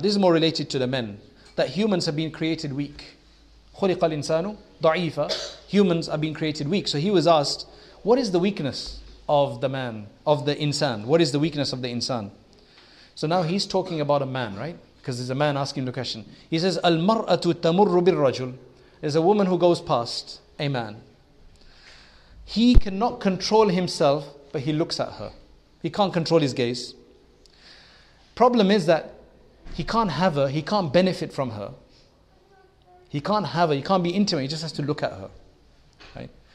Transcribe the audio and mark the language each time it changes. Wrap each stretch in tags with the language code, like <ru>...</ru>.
<en>This is more related to the men, that humans have been created weak.</en> <ar>خُلِقَ الْإِنسَانُ ضَعِيفًا.</ar> <en>Humans are being created weak. So he was asked, what is the weakness of the man, of the insan? What is the weakness of the insan? So now he's talking about a man, right? Because there's a man asking the question. He says,</en> <ar>الْمَرْأَةُ تَمُرُّ بِالرَّجُلِ.</ar> <en>There's a woman who goes past a man. He cannot control himself, but he looks at her. He can't control his gaze. Problem is that he can't have her, he can't benefit from her. He can't have her, he can't be intimate, he just has to look at her. Right?</en>